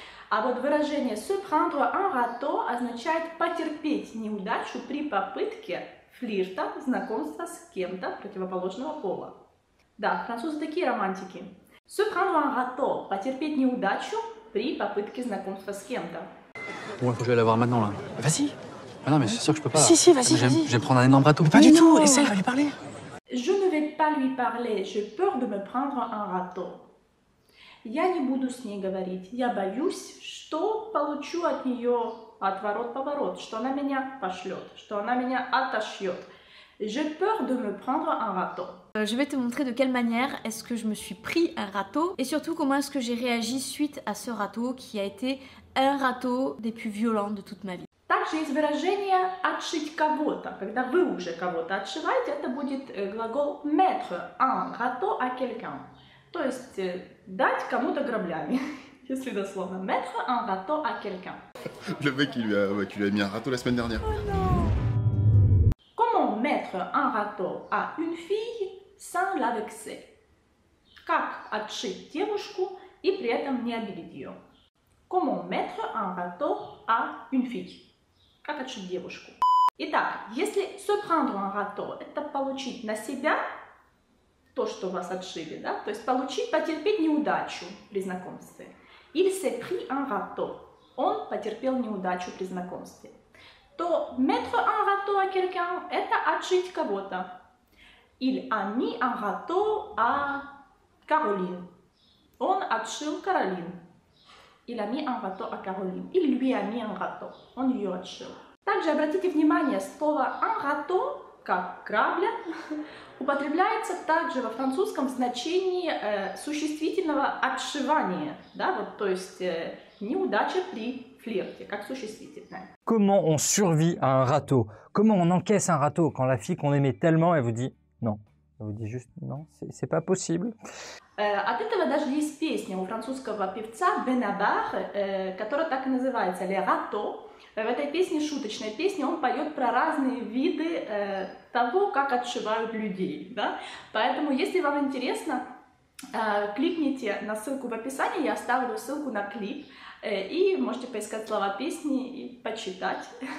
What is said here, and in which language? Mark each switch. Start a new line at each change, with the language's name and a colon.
Russian: А вот выражение
French: «se prendre un râteau»
Russian: означает «потерпеть неудачу при попытке флирта, знакомства с кем-то противоположного пола». Да, французы такие романтики.
French: «Se prendre un râteau»
Russian: — потерпеть неудачу при попытке знакомства с кем-то.
French: Ой, faut que j'aille la voir maintenant, là. Vas-y. Ah non, mais c'est sûr que je peux pas. Si, si, vas-y, vas-y. Je vais prendre un énorme râteau. Pas du tout, essaye, va lui parler. Je ne vais pas lui parler, j'ai peur de me prendre un râteau.
Russian: Я не буду с ней говорить, я боюсь, что получу от нее отворот-поворот, что она меня пошлет, что она меня отошьет.
French: J'ai peur de me prendre un râteau. Je vais te montrer de quelle manière est-ce que je me suis pris un râteau et surtout comment est-ce que j'ai réagi suite à ce râteau qui a été un râteau des plus violents de toute ma vie.
Russian: Также есть выражение «отшить кого-то». Когда вы уже кого-то отшиваете, это будет глагол
French: «mettre un râteau à quelqu'un».
Russian: То есть дать кому-то граблями, если дословно.
French: Mettre un râteau à quelqu'un. Le mec qui lui a mis un râteau la semaine dernière. Oh non. Comment mettre un râteau à une fille sans la vexer?
Russian: Как отшить девушку и при этом не обидеть ее?
French: Comment mettre un râteau à une fille?
Russian: Как отшить девушку? Итак, если
French: se prendre un râteau,
Russian: это получить на себя то, что вас отшили, да? То есть получить, потерпеть неудачу при знакомстве.
French: Il s'est pris un râteau.
Russian: Он потерпел неудачу при знакомстве. То
French: mettre un râteau à quelqu'un
Russian: – это отшить кого-то.
French: Il a mis un râteau à Caroline.
Russian: Он отшил Каролин.
French: Il a mis un râteau à Caroline. Il lui a mis un râteau.
Russian: Он ее отшил. Также обратите внимание, слово un râteau, как грабля, употребляется также во французском значении существительного отшивания, да, вот, то есть неудача при флирте, как существительное.
French: Comment on survit à un râteau? Comment on encaisse un râteau quand la fille qu'on aimait tellement, elle vous dit non? Elle vous dit juste non, c'est pas possible.
Russian: От этого даже есть песня у французского певца Бенабар, которая так и называется «Les râteaux». В этой песне, шуточной песне, он поет про разные виды того, как отшивают людей, да? Поэтому, если вам интересно, кликните на ссылку в описании, я оставлю ссылку на клип, и можете поискать слова песни и почитать.